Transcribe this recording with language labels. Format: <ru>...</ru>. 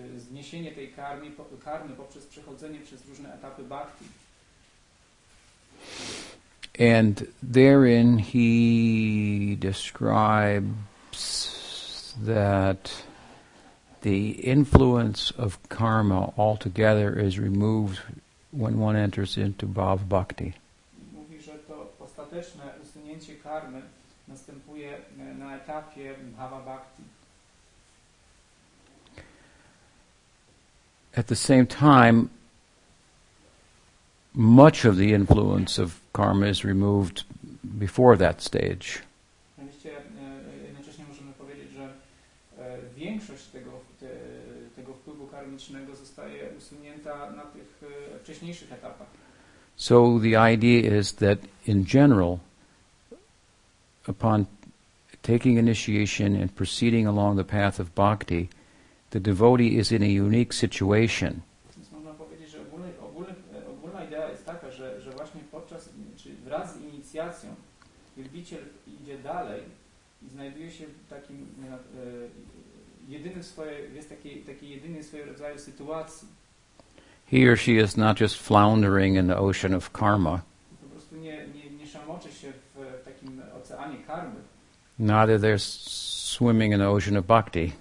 <pl>Zniesienie tej karmy poprzez przechodzenie przez różne etapy bhakti.</pl> <en>And therein he describes that the influence of karma altogether is removed when one enters into bhava bhakti.</en> <pl>Mówi, że to ostateczne usunięcie karmy następuje na etapie bhava bhakti.</pl> <en>At the same time, much of the influence of karma is removed before that stage.</en> <pl>Jednocześnie możemy powiedzieć, że większość tego wpływu karmicznego zostaje usunięta na tych wcześniejszych etapach.</pl> <en>So the idea is that in general, upon taking initiation and proceeding along the path of bhakti, the devotee is in a unique situation.</en> <pl>Więc można powiedzieć, że ogólna idea jest taka, że właśnie wraz z inicjacją wielbiciel idzie dalej i znajduje się w takim jedynym swojej rodzaju sytuacji.</pl> <en>He or she is not just floundering in the ocean of karma.</en> <pl>Po prostu nie szamoczy się w takim oceanie karmy.</pl> <en>Neither they're swimming in the ocean of bhakti.</en>